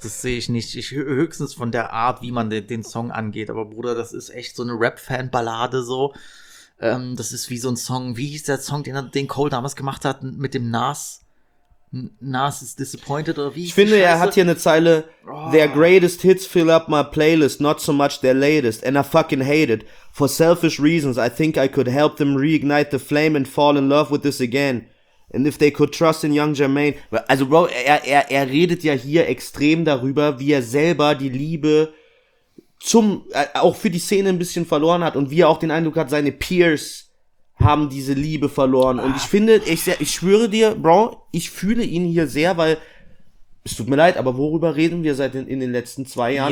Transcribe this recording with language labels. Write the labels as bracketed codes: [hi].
[de] Das sehe ich nicht. Ich höchstens von der Art, wie man den Song angeht. Aber Bruder, das ist echt so eine Rap-Fan-Ballade so. Das ist wie so ein Song. Wie hieß der Song, den Cole damals gemacht hat mit dem Nas? Nas is disappointed oder wie? Ich finde, er hat hier eine Zeile. Oh. [en] Their greatest hits fill up my playlist, not so much their latest. And I fucking hate it. For selfish reasons, I think I could help them reignite the flame and fall in love with this again. And if they could trust in Young Jermaine. [de] Also Bro, er redet ja hier extrem darüber, wie er selber die Liebe zum auch für die Szene ein bisschen verloren hat und wie er auch den Eindruck hat, seine Peers haben diese Liebe verloren. Und ich finde, ich schwöre dir, Bro, ich fühle ihn hier sehr, weil es tut mir leid, aber worüber reden wir seit in den letzten 2 Jahren